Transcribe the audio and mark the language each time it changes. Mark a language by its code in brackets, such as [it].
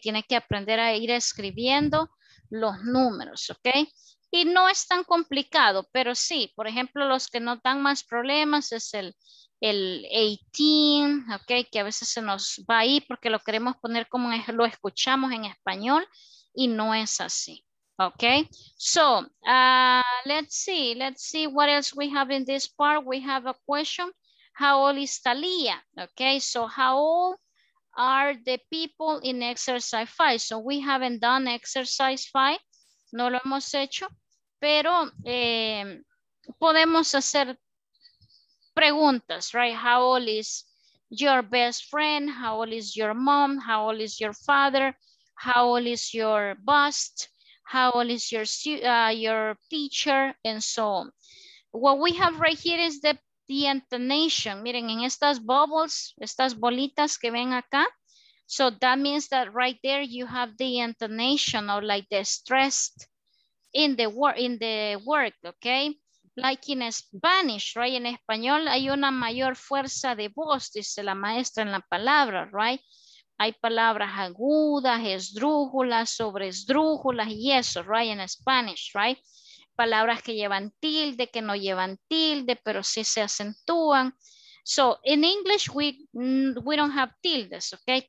[es] Tiene que aprender a ir escribiendo los números, ¿ok? Y no es tan complicado, pero sí, por ejemplo, los que no dan más problemas es el 18, ¿ok? Que a veces se nos va ahí porque lo queremos poner como lo escuchamos en español, y no es así, ¿ok? [en] So, let's see what else we have in this part. We have a question, how old is Talia? ¿Ok? So, how old are the people in exercise 5? So, we haven't done exercise 5, [es] no lo hemos hecho, [en] pero podemos hacer preguntas, right? How old is your best friend? How old is your mom? How old is your father? How old is your boss? How old is your teacher? And so on. What we have right here is the intonation. [es] Miren, en estas bubbles, estas bolitas que ven acá. [en] So that means that right there you have the intonation or like the stressed in the work, okay? Like in Spanish, right? [es] En español hay una mayor fuerza de voz, dice la maestra en la palabra, right? Hay palabras agudas, esdrújulas, sobreesdrújulas y eso, right, [en] in Spanish, [es] right? Palabras que llevan tilde, que no llevan tilde, pero sí se acentúan. [en] So, in English, we don't have tildes, okay?